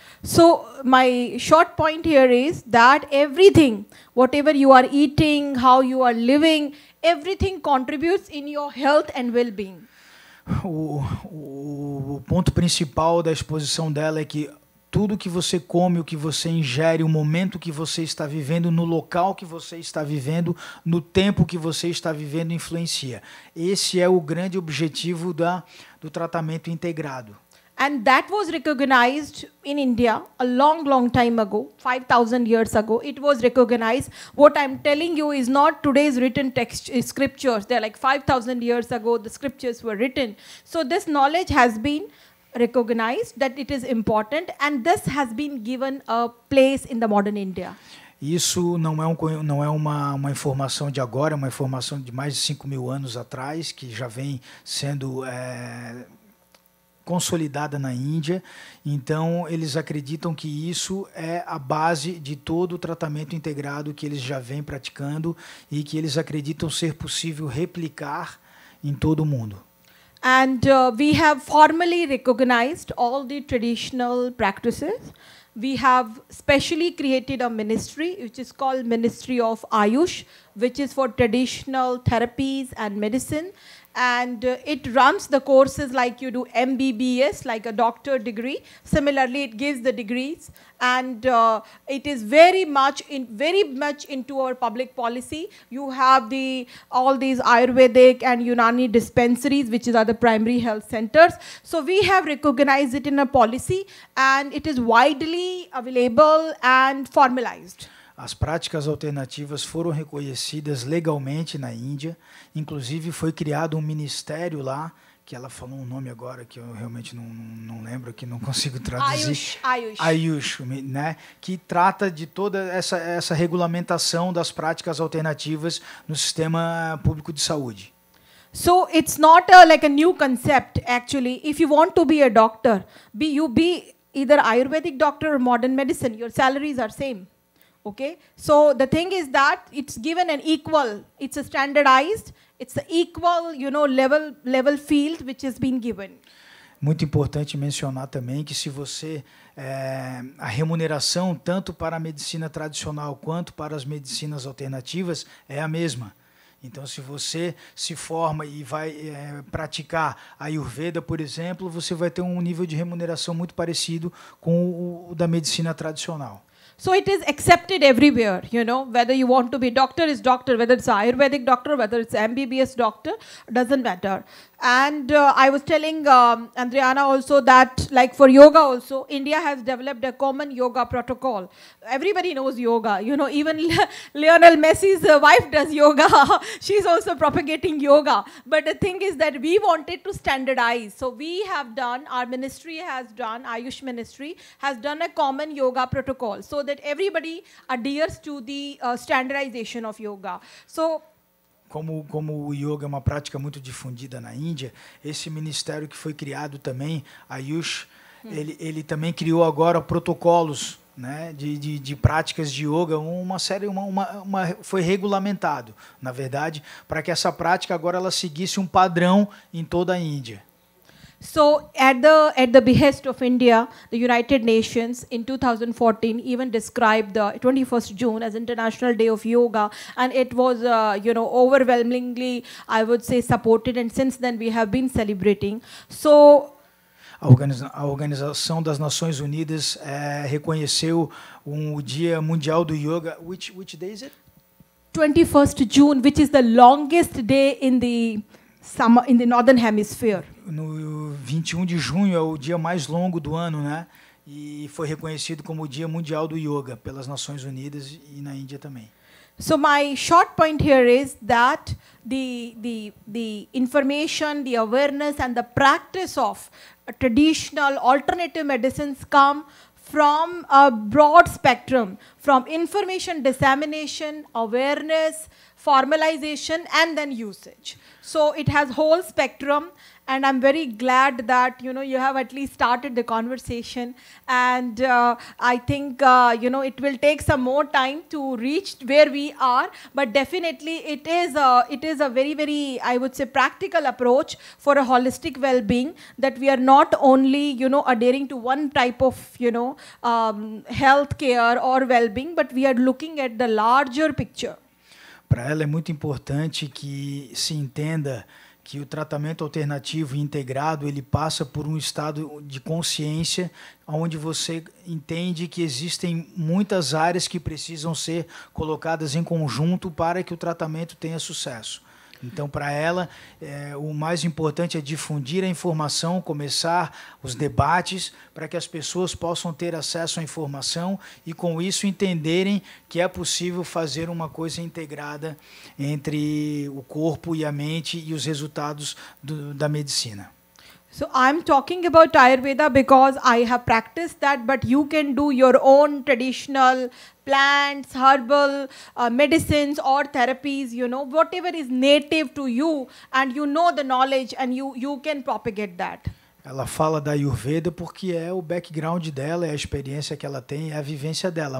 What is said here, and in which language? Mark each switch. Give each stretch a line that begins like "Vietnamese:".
English: So my short point here is that everything, whatever you are eating, how you are living, everything contributes in your health and well-being.
Portuguese: O ponto principal da exposição dela é que tudo que você come, o que você ingere, o momento que você está vivendo, no local que você está vivendo, no tempo que você está vivendo, influencia. Esse é o grande objetivo do tratamento integrado.
English: And that was recognized in India a long, long time ago, 5,000 years ago. It was recognized. What I'm telling you is not today's written text scriptures. They're like 5,000 years ago, the scriptures were written. So this knowledge has been recognized that it is important, and this has been given a place in the modern India.
Portuguese: Isso não é, uma informação de agora, é uma informação de mais de 5,000 anos atrás, que já vem sendo consolidada na Índia. Então eles acreditam que isso é a base de todo o tratamento integrado que eles já vêm praticando e que eles acreditam ser possível replicar em todo o mundo.
English: And we have formally recognized all the traditional practices. We have specially created a ministry, which is called Ministry of Ayush, which is for traditional therapies and medicine. And it runs the courses like you do MBBS, like a doctor degree. Similarly, it gives the degrees. And it is very much into our public policy. You have all these Ayurvedic and Unani dispensaries, which are the primary health centers. So we have recognized it in a policy, and it is widely available and formalized.
Portuguese: As práticas alternativas foram reconhecidas legalmente na Índia. Inclusive, foi criado um ministério lá, que ela falou um nome agora que eu realmente não lembro, que não consigo traduzir. Ayush, né? Que trata de toda essa regulamentação das práticas alternativas no sistema público de saúde.
English: So it's not a, like a new concept, actually. If you want to be a doctor, be either Ayurvedic doctor or modern medicine, your salaries are same. Okay? So the thing is that it's given an equal, it's a standardized, it's an equal, you know, level field which has been given.
Portuguese: Muito importante mencionar também que se você a remuneração tanto para a medicina tradicional quanto para as medicinas alternativas é a mesma. Então, se você se forma e vai praticar a Ayurveda, por exemplo, você vai ter um nível de remuneração muito parecido com o da medicina tradicional.
English: So it is accepted everywhere, you know, whether you want to be doctor is doctor, whether it's Ayurvedic doctor, whether it's MBBS doctor, doesn't matter. And I was telling Andriana also that, like for yoga also, India has developed a common yoga protocol. Everybody knows yoga, you know, even Lionel Messi's wife does yoga. She's also propagating yoga. But the thing is that we wanted to standardize. So we have done, our ministry has done, Ayush ministry has done a common yoga protocol so that everybody adheres to the standardization of yoga. So,
Portuguese: Como o yoga é uma prática muito difundida na Índia, esse ministério que foi criado também, Ayush, ele também criou agora protocolos, né, de práticas de yoga, uma série foi regulamentado, na verdade, para que essa prática agora ela seguisse um padrão em toda a Índia.
English: So at the behest of India, the United Nations in 2014 even described the 21st June as International Day of Yoga, and it was you know, overwhelmingly, I would say, supported, and since then we have been celebrating. So
Portuguese: a Organização das Nações Unidas reconheceu o Dia Mundial do Yoga.
English: Which day is it? 21st June, which is the longest day in the summer in the Northern Hemisphere.
Portuguese: No 21 de junho é o dia mais longo do ano, né? E foi reconhecido como o Dia Mundial do Yoga pelas Nações Unidas e na Índia também.
English: So my short point here is that the information, the awareness and the practice of traditional alternative medicines come from a broad spectrum, from information dissemination, awareness, formalization and then usage. So it has whole spectrum. And I'm very glad that, you know, you have at least started the conversation. And I think, you know, it will take some more time to reach where we are. But definitely it is a very, very, I would say, practical approach for a holistic well-being, that we are not only, you know, adhering to one type of, you know, healthcare or well-being, but we are looking at the larger picture.
Portuguese: Para ela é muito importante que se entenda que o tratamento alternativo integrado, ele passa por um estado de consciência onde você entende que existem muitas áreas que precisam ser colocadas em conjunto para que o tratamento tenha sucesso. Então, para ela, o mais importante é difundir a informação, começar os debates para que as pessoas possam ter acesso à informação e, com isso, entenderem que é possível fazer uma coisa integrada entre o corpo e a mente e os resultados da medicina.
English: So I'm talking about Ayurveda because I have practiced that, but you can do your own traditional plants, herbal medicines or therapies, you know, whatever is native to you and you know the knowledge and you can propagate that.
Portuguese: Ela fala da Ayurveda porque é o background dela, é a experiência que ela tem, é a vivência dela.